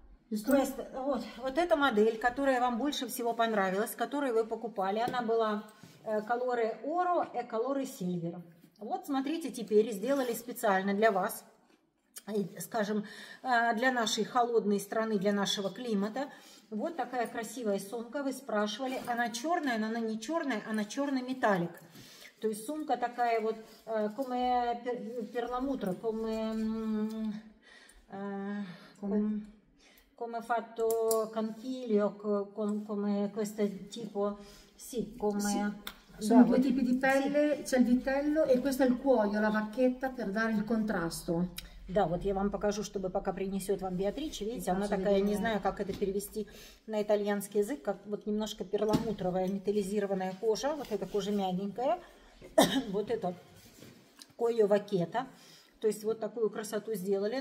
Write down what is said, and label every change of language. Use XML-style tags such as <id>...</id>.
<ru>Вот, вот эта модель, которая вам больше всего понравилась, которую вы покупали, она была колоры oro и колоры silver. Вот, смотрите, теперь сделали специально для вас. Скажем, для нашей холодной страны, для нашего климата. Вот такая красивая сумка. Вы спрашивали, она черная, но она не черная, она черный металлик. То есть сумка такая вот</ru> <it>come перламутро, come fatto conchiglio, come questo tipo, sì, come. Sono due tipi di pelle, c'è il vitello e questo è il cuoio, la vacchetta per dare il contrasto.</it> <ru>Да, вот я вам покажу, чтобы пока принесет вам Беатриче. Видите, она такая, не знаю, как это перевести на итальянский язык, как вот немножко перламутровая металлизированная кожа. Вот эта кожа мягенькая. вот это койо вакета. То есть вот такую красоту сделали.</ru>